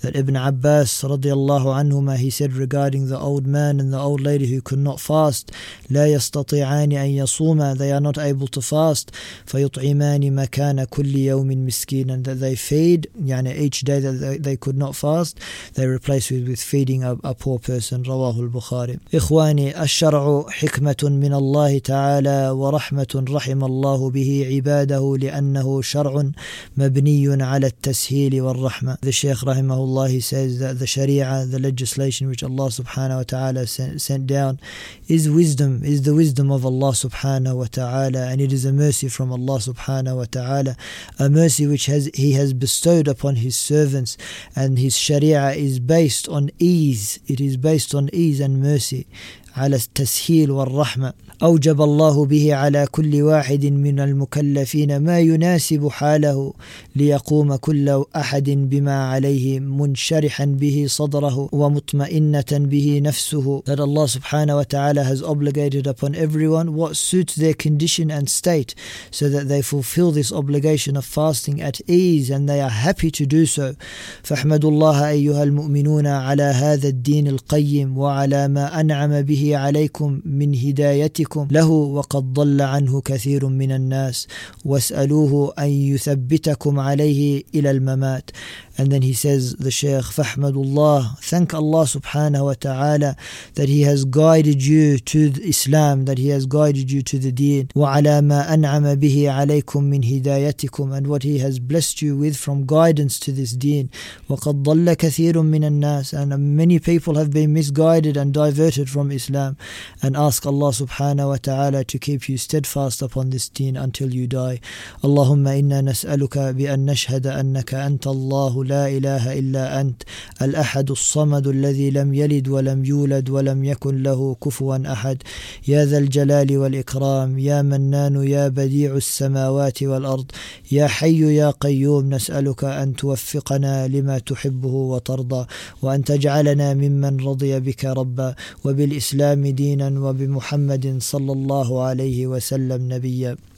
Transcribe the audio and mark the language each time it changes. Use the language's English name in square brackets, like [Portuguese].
[English] That Ibn Abbas radiallahu anhuما, he said regarding the old man and the old lady who could not fast, [Arabic] لا يستطيعان أن يصوما, [English] they are not able to fast, [Arabic] فيطعمان مكان كل يوم مسكين, [English] and that they feed, each day that they could not fast, they replace it with feeding a poor person. [Arabic] رواه البخاري. إخواني الشرع حكمة من الله تعالى ورحمة رحم الله به عباده لأنه شرع مبني على التسهيل والرحمة. [English] Shaykh rahimahullah, he says that the sharia, the legislation which Allah subhanahu wa ta'ala sent down, is wisdom, is the wisdom of Allah subhanahu wa ta'ala, and it is a mercy from Allah subhanahu wa ta'ala, a mercy which he has bestowed upon his servants, and his sharia is based on ease, it is based on ease and mercy. [Arabic] على التسهيل والرحمة أوجب الله به على كل واحد من المكلفين ما يناسب حاله ليقوم كل أحد بما عليه منشرحا به صدره ومطمئنة به نفسه. [English] That Allah subhanahu wa ta'ala has obligated upon everyone what suits their condition and state, so that they fulfill this obligation of fasting at ease and they are happy to do so. [Arabic] فاحمدوا الله أيها المؤمنون على هذا الدين القيم وعلى ما أنعم به عليكم من هدايتكم له وقد ضل عنه كثير من الناس واسألوه أن يثبتكم عليه إلى الممات. [English] And then he says, the Shaykh, Fahmadullah, thank Allah subhanahu wa ta'ala that he has guided you to Islam, that he has guided you to the deen. [Arabic] وَعَلَى مَا أَنْعَمَ بِهِ عَلَيْكُمْ مِنْ هِدَايَتِكُمْ, [English] and what he has blessed you with from guidance to this deen. [Arabic] وَقَدْ ضَلَّ كَثِيرٌ مِّنَ النَّاسِ, [English] and many people have been misguided and diverted from Islam. And ask Allah subhanahu wa ta'ala to keep you steadfast upon this deen until you die. [Arabic] اللَّهُمَّ إِنَّا نَسْأَلُكَ بِأَنْ نَشْهَدَ أَنَّكَ أَنْتَ اللَّهُ لا إله إلا أنت الأحد الصمد الذي لم يلد ولم يولد ولم يكن له كفوا أحد يا ذا الجلال والإكرام يا منان يا بديع السماوات والأرض يا حي يا قيوم نسألك أن توفقنا لما تحبه وترضى وأن تجعلنا ممن رضي بك ربا وبالإسلام دينا وبمحمد صلى الله عليه وسلم نبيا.